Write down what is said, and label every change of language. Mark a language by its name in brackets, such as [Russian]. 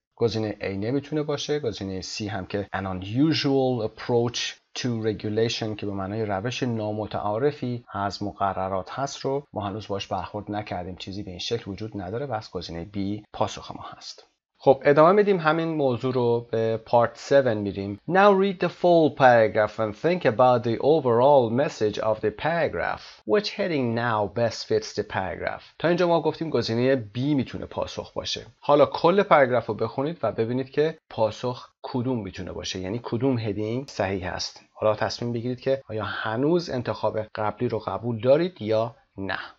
[Persian] گزینه A نمیتونه باشه. گزینه C هم که [English] an unusual approach to regulation [Persian] که به معنای روش نامتعارفی از مقررات هست رو ما هنوز باش برخورد نکردیم، چیزی به این شکل وجود نداره، بس گزینه B پاسخ ما هست. خب ادامه میدیم همین موضوع رو به پارت 7 میریم. [English] Now read the full paragraph and think about the overall message of the paragraph. Which heading now best fits the paragraph? [Persian] تا اینجا ما گفتیم گزینه B میتونه پاسخ باشه. حالا کل پاراگراف رو بخونید و ببینید که پاسخ کدوم میتونه باشه، یعنی کدوم heading صحیح هست. حالا تصمیم بگیرید که آیا هنوز انتخاب قبلی رو قبول دارید یا نه.